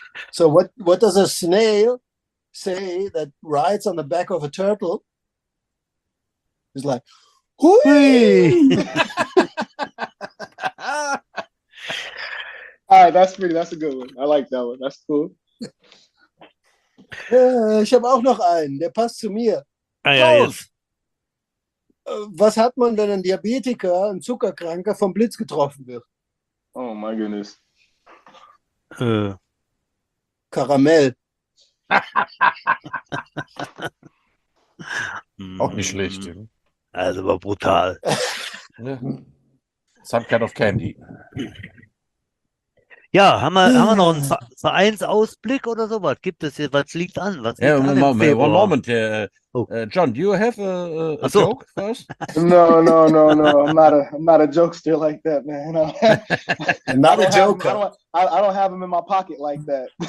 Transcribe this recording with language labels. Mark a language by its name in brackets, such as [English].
[English] So what does a snail say that rides on the back of a turtle? It's like, hui! All right, that's a good one. I like that one. That's cool. [German] Ich habe auch noch einen, der passt zu mir. Ah, ja, jetzt. Was hat man, wenn ein Diabetiker, ein Zuckerkranker, vom Blitz getroffen wird? [English] Oh my goodness. [German] Karamell. Auch nicht schlecht. Also war brutal. [English] Some kind of candy. [German] Ja, haben wir noch einen Vereinsausblick oder sowas? Gibt es hier, was liegt an? Was liegt an Moment. [English] John, do you have a joke first? No. I'm not a jokester like that, man. Not a joker. I don't have them in my pocket like that.